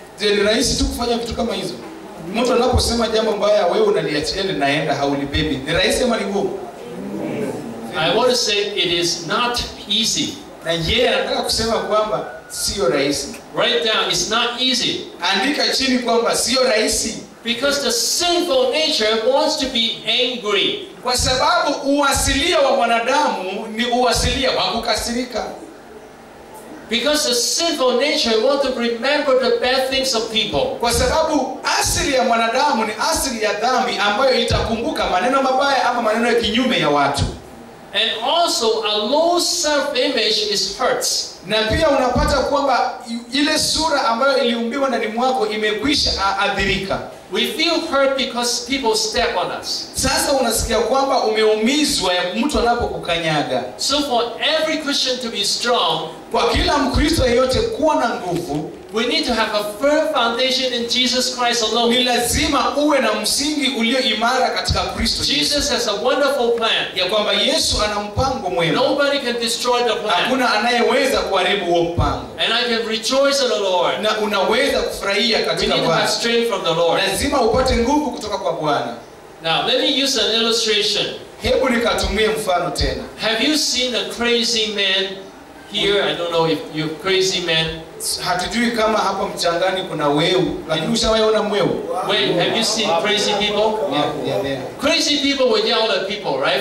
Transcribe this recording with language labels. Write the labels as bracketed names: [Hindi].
[Swahili] Je, ni rahisi tu kufanya vitu kama hizo? Mtu anaposema jambo mbaya wewe unaliachilia linaenda haulibebi. Ni rahisi ama ni ngumu? [English] I want to say it is not easy. [Swahili] Na yeye anataka kusema kwamba sio rahisi. [English] Write down, it's not easy. [Swahili] Andika chini kwamba sio rahisi. [English] Because the sinful nature wants to be angry. [Swahili] Kwa sababu uasilia wa mwanadamu ni uasilia wa kukasirika. [English] Because the sinful nature wants to remember the bad things of people. [Swahili] Kwa sababu asili ya mwanadamu ni asili ya dhambi ambayo itakumbuka maneno mabaya ama maneno ya kinyume ya watu. [English] And also a low self-image is hurts. [Swahili] Na pia unapata kwamba ile sura ambayo iliumbiwa ndani mwako imekwisha adhirika. [English] We feel hurt because people step on us. [Swahili] Sasa unasikia kwamba umeumizwa mtu anapokukanyaga. [English] So for every Christian to be strong, [Swahili] kwa kila Mkristo yeyote kuwa na nguvu, [English] we need to have a firm foundation in Jesus Christ alone. [Swahili] Ni lazima uwe na msingi ulio imara katika Kristo. [English] Jesus has a wonderful plan. [Swahili] Ya kwamba Yesu ana mpango mwema. [English] Nobody can destroy the plan. [Swahili] Hakuna anayeweza kuharibu huo mpango. [English] And I can rejoice in the Lord. [Swahili] Na unaweza kufurahia katika Bwana. [English] We need to have strength from the Lord. [Swahili] Lazima upate nguvu kutoka kwa Bwana. [English] Now let me use an illustration. [Swahili] Hebu nikatumie mfano tena. [English] Have you seen a crazy man here? I don't know if you crazy man. [Swahili] Hatujui kama hapa mchangani kuna wewe, lakini ushawaiona mwewe. [English] Wait, have you seen crazy people? Yeah. Crazy people with yell at people, right?